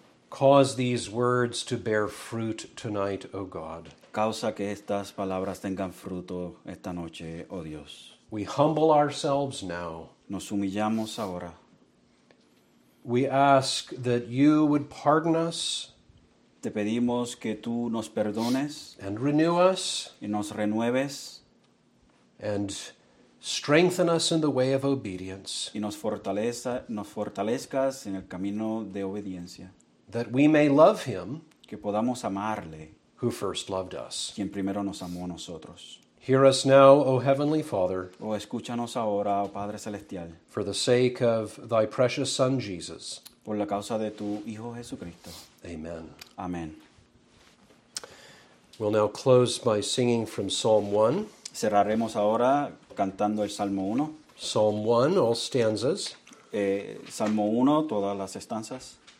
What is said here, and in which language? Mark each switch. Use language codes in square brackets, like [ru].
[en] Cause these words to bear fruit tonight, O God. [es] Causa que estas palabras tengan fruto esta noche, oh Dios. [en] We humble ourselves now. [es] Nos humillamos ahora. [en] We ask that you would pardon us. [es] Te pedimos que tú nos perdones. [en] And renew us. [es] Y nos renueves. [en] And strengthen us in the way of obedience. [es] Y nos fortalezcas en el camino de obediencia. [en] That we may love him. [es] Que podamos amarle. [en] Who first loved us. [es] Quien primero nos amó a nosotros. [en] Hear us now, O Heavenly Father. [es] O escúchanos ahora, O Padre Celestial. [en] For the sake of thy precious Son, Jesus. [es] Por la causa de tu Hijo Jesucristo. [en] Amen. [es] Amen. [en] We'll now close by singing from Psalm 1. [es] Cerraremos ahora cantando el Salmo 1. [en] Psalm 1, all stanzas. [es] Salmo 1, todas las estanzas.